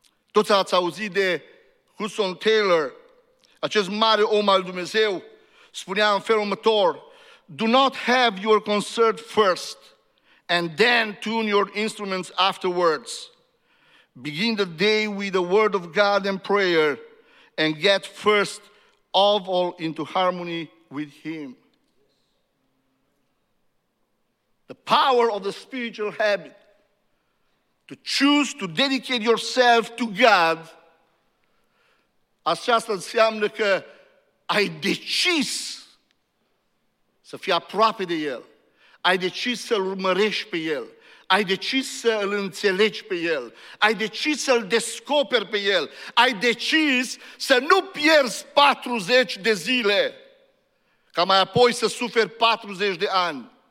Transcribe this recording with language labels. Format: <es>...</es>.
<ro>Toți ați auzit de Hudson Taylor, acest mare om al Dumnezeu, spunea în felul următor:</ro> <en>"Do not have your concert first and then tune your instruments afterwards. Begin the day with the word of God and prayer and get first of all into harmony with Him." The power of the spiritual habit to choose to dedicate yourself to God,</en> <ro>aceasta înseamnă că ai decis să fii aproape de El, ai decis să-L urmărești pe El, ai decis să-L înțelegi pe El, ai decis să-L descoperi pe El, ai decis să nu pierzi 40 de zile, ca mai apoi să suferi 40 de ani,</ro>